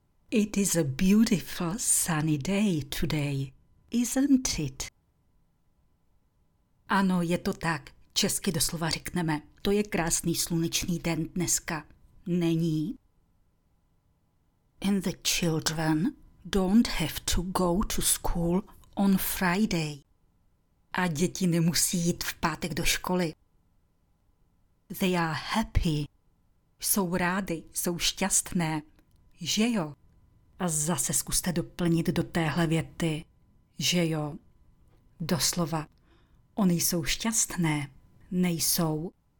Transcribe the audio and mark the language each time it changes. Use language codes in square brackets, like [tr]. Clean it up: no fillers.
[en] It is a beautiful sunny day today, isn't it? [cs] Ano, je to tak. Česky doslova řekneme, to je krásný slunečný den dneska. Není? [en] And the children don't have to go to school on Friday. [cs] A děti nemusí jít v pátek do školy. They are happy. Jsou rády, jsou šťastné. Že jo? A zase zkuste doplnit do téhle věty. Že jo? Doslova. Oni jsou šťastné. Nejsou.